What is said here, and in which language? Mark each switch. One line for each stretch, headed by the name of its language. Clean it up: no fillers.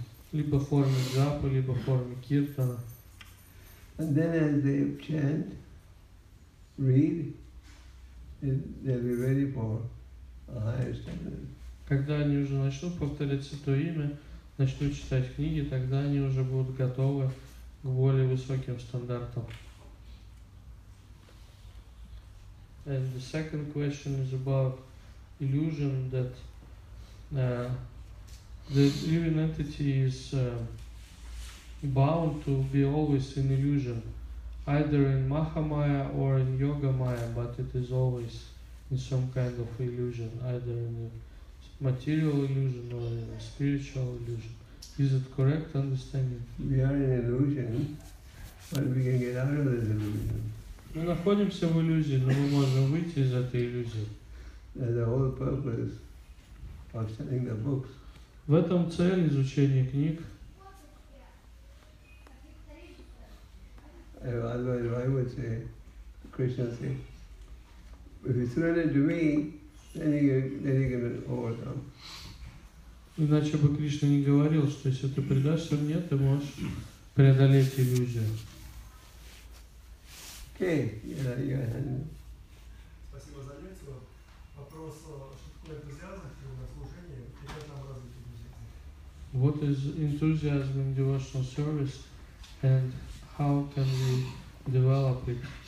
Russian: Либо в форме джапы, либо в форме киртана.
English: And then as they chant, read, they'll be ready for a higher standard.
Russian: Когда они уже начнут повторять Святое Имя, начнут читать книги, тогда они уже будут готовы к более высоким стандартам.
English: And the second question is about illusion that the living entity is bound to be always in illusion, either in Mahamaya or in Yogamaya, but it is always in some kind of illusion, either in a material illusion or in a spiritual illusion. Is it correct understanding? We are in illusion, but we can get out of this illusion.
Russian: Мы находимся в иллюзии, но мы можем выйти из этой иллюзии.
English: And the whole purpose of studying the books.
Russian: В этом цель изучения книг.
English: Otherwise, why would say Krishna say, if you surrender to me, then you can overcome.
Russian: Иначе бы Кришна не говорил, что если ты предашься мне, ты можешь преодолеть иллюзию. Окей, я спасибо за лекцию. Вопрос, что такое энтузиазм в служении и как нам развить энтузиазм?
English: What is enthusiasm in devotional service and how can we develop it?